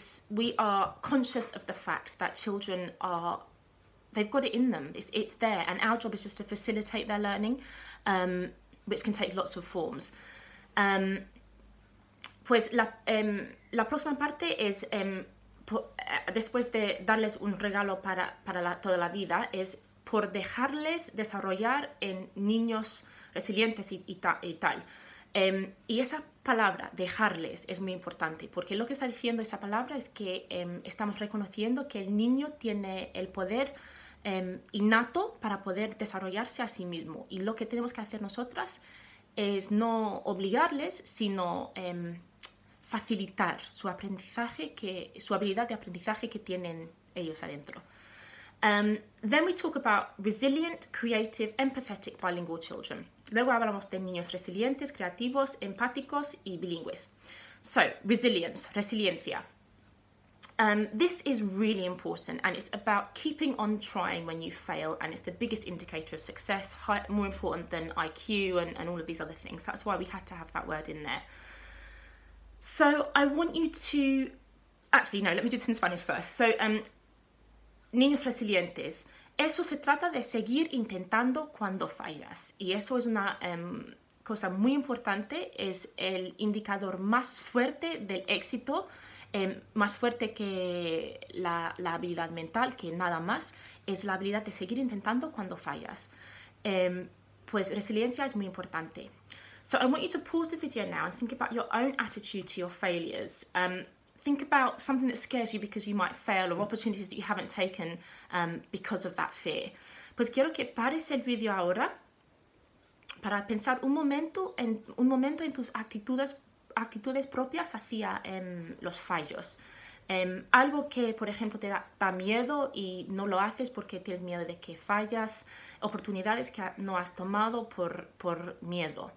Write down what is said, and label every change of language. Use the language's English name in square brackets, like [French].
[English] We are conscious of the fact that children they've got it in them. It's there, and our job is just to facilitate their learning, which can take lots of forms. [Spanish] Pues la próxima parte es, después de darles un regalo para toda la vida, es por dejarles desarrollar en niños resilientes y tal. Y esa palabra, dejarles, es muy importante, porque lo que está diciendo esa palabra es que estamos reconociendo que el niño tiene el poder innato para poder desarrollarse a sí mismo. Y lo que tenemos que hacer nosotras es no obligarles, sino facilitar su habilidad de aprendizaje que tienen ellos adentro. [English] Then we talk about resilient, creative, empathetic, bilingual children. [Spanish] Luego hablamos de niños resilientes, creativos, empáticos y bilingües. [English] So, resilience, resiliencia. This is really important, and it's about keeping on trying when you fail, and it's the biggest indicator of success, more important than IQ and all of these other things. That's why we had to have that word in there. So I want you to, actually no, let me do this in Spanish first. [Spanish] So, niños resilientes, eso se trata de seguir intentando cuando fallas. Y eso es una cosa muy importante, es el indicador más fuerte del éxito, más fuerte que la habilidad mental, que nada más, es la habilidad de seguir intentando cuando fallas. Pues resiliencia es muy importante. [English] So I want you to pause the video now and think about your own attitude to your failures. Think about something that scares you because you might fail, or opportunities that you haven't taken because of that fear. [Spanish] Pues quiero que pares el video ahora para pensar un momento en tus actitudes propias hacia los fallos. Algo que, por ejemplo, te da miedo y no lo haces porque tienes miedo de que fallas, oportunidades que no has tomado por miedo.